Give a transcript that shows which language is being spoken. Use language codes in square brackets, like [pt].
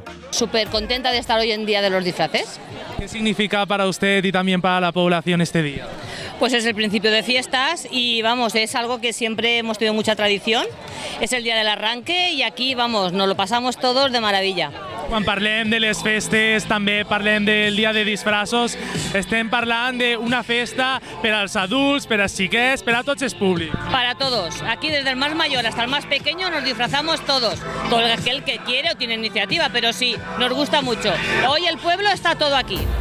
[es] Súper contenta de estar hoy en Día de los Disfraces. ¿Qué significa para usted y también para la población este día? Pues es el principio de fiestas y vamos, es algo que siempre hemos tenido mucha tradición. Es el día del arranque y aquí vamos, nos lo pasamos todos de maravilla. [ca] Quan parlem de les festes, també parlem del dia de disfraços, estem parlant d'una festa per als adults, per als xiquets, per a tots els públics. [es] Para todos. Aquí, desde el más mayor hasta el más pequeño, nos disfrazamos todos. Con aquel que quiere o tiene iniciativa, pero sí, nos gusta mucho. Hoy el pueblo está todo aquí.